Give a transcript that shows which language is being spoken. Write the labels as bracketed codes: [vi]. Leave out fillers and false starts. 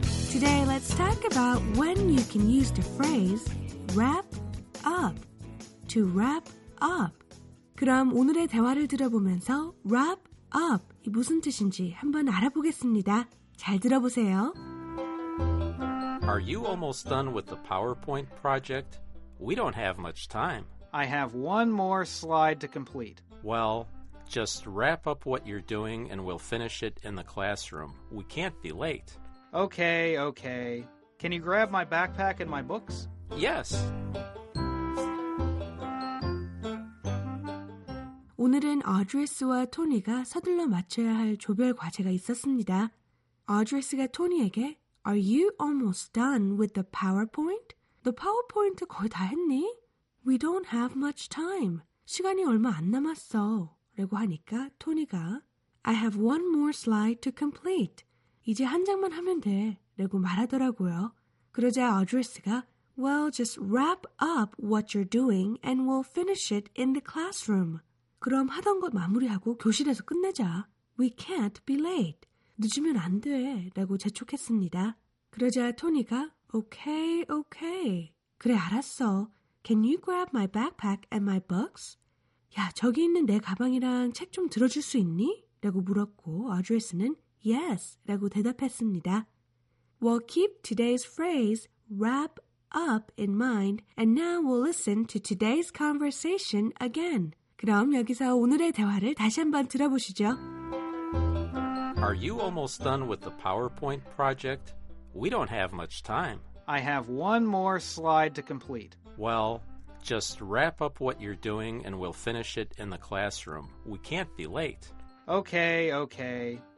[en] 'Today let's talk about when you can use the phrase wrap up, to wrap up.' [ko] 그럼 오늘의 대화를 들어보면서 wrap up이 무슨 뜻인지 한번 알아보겠습니다. 잘 들어보세요. [en] Are you almost done with the PowerPoint project? We don't have much time. I have one more slide to complete. Well, just wrap up what you're doing and we'll finish it in the classroom. We can't be late. Okay, okay. Can you grab my backpack and my books? Yes. [ko] 오늘은 어드레스와 토니가 서둘러 마쳐야 할 조별 과제가 있었습니다. 어드레스가 토니에게 [en] Are you almost done with the PowerPoint? The PowerPoint [ko] 거의 다 했니? [en] We don't have much time. [ko] 시간이 얼마 안 남았어. 라고 하니까 토니가 [en] I have one more slide to complete. [ko] 이제 한 장만 하면 돼. 라고 말하더라고요. 그러자 어드레스가 [en] Well, just wrap up what you're doing and we'll finish it in the classroom. [ko] 그럼 하던 것 마무리하고 교실에서 끝내자. [en] We can't be late. [ko] 늦으면 안 돼 라고 재촉했습니다. 그러자 토니가 오케이 오케이 그래 알았어. [en] Can you grab my backpack and my books? [ko] 야 저기 있는 내 가방이랑 책 좀 들어줄 수 있니? 라고 물었고 어드레스는 yes 라고 대답했습니다. [en] We'll keep today's phrase wrap up in mind and now we'll listen to today's conversation again. [ko] 그럼 여기서 오늘의 대화를 다시 한번 들어보시죠. [en] Are you almost done with the PowerPoint project? We don't have much time. I have one more slide to complete. Well, just wrap up what you're doing and we'll finish it in the classroom. We can't be late. Okay, okay.